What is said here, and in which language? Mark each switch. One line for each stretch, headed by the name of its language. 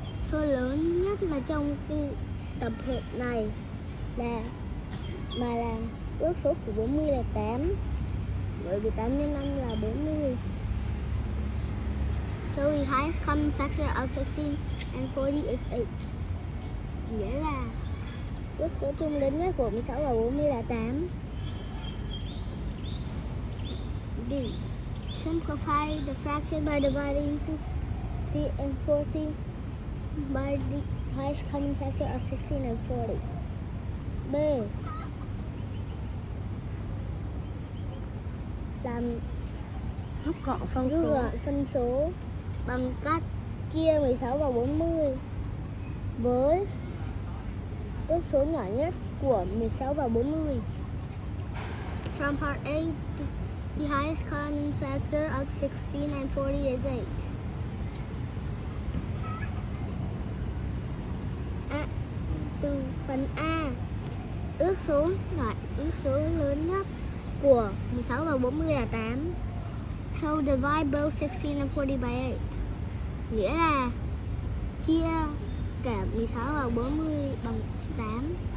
Vietnamese: Số lớn nhất mà trong tập hợp này là mà là ước số của 40 là 8, bởi vì 8 nhân 5 là 40.
English: So the highest common factor of 16 and 40 is 8.
Vietnamese: Nghĩa là ước số chung lớn nhất của 16 và 40 là 8.
English: B, simplify the fraction by dividing 16 and 40 by the highest common factor of 16 and 40.
Vietnamese: B, làm rút gọn phân số. Rút gọn phân số bằng cách chia 16 và 40 với ước số nhỏ nhất của 16 và 40.
English: From part A, the highest common factor of 16 and 40 is 8.
Vietnamese: À, từ phần A, ước số lớn nhất của 16 và 40 là 8.
English: So divide both 16 and 40 by 8.
Vietnamese: Nghĩa là chia cả 16 và 40 bằng 8.